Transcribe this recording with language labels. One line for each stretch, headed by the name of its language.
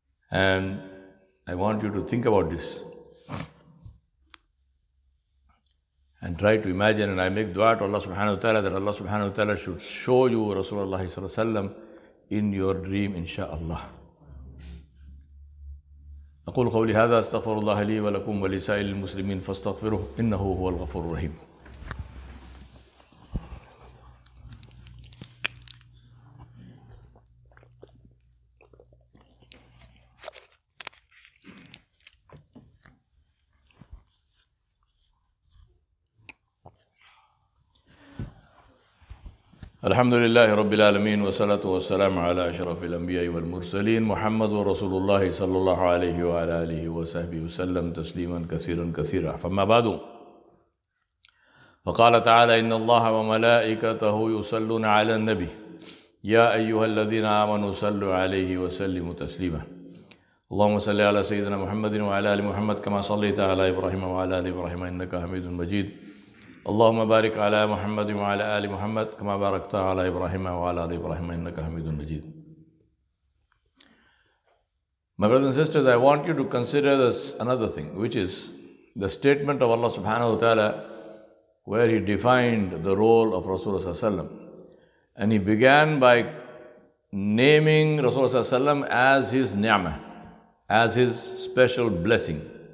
English: And I want you to think about this and try to imagine, and I make dua to Allah subhanahu wa ta'ala that Allah subhanahu wa ta'ala should show you Rasulullah sallallahu alaihi wasallam in your dream, insha'Allah.
Arabic: أقول قولي هذا استغفر الله لي ولكم ولسائر المسلمين فاستغفروه إنه هو الغفور الرحيم. الحمد لله رب العالمين والصلاة والسلام على أشرف الأنبياء والمرسلين محمد ورسول الله صلى الله عليه وعلى آله وصحبه وسلم تسليما كثيرا كثيرا فما بعد فقال تعالى إن الله وملائكته يصلون على النبي يا أيها الذين آمنوا صلوا عليه وسلموا تسليما اللهم صل على سيدنا محمد وعلى آل محمد كما صليت على إبراهيم وعلى آل إبراهيم إنك حميد مجيد اللهم بارك على محمد وعلى آل محمد كما باركت على إبراهيم وعلى آل إبراهيم إنك حميد مجيد.
English: My brothers and sisters, I want you to consider this another thing, which is the statement of Allah subhanahu wa ta'ala where he defined the role of Rasulullah sallallahu alaihi wasallam, and he began by naming Rasulullah sallallahu alaihi wasallam as his ni'mah, as his special blessing.